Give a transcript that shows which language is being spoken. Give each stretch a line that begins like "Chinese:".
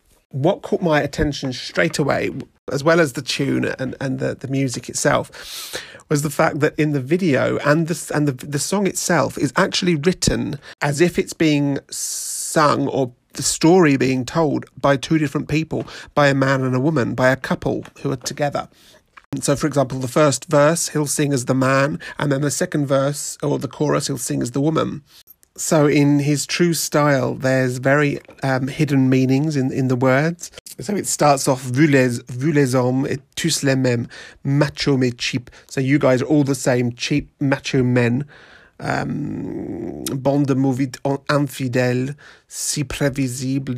English: What caught my attention straight away, as well as the tune and the music itself, was the fact that in the video and the song itself is actually written as if it's being sung, or the story being told, by two different people, by a man and a woman, by a couple who are together. So, for example, the first verse he'll sing as the man, and then the second verse, or the chorus, he'll sing as the woman. So in his true style, there's very hidden meanings in the words. So it starts off,
French: vous les hommes et tous les mêmes, macho mais cheap.
English: So you guys are all the same, cheap, macho men.
French: Bande de mauvais infidèles, si prévisible.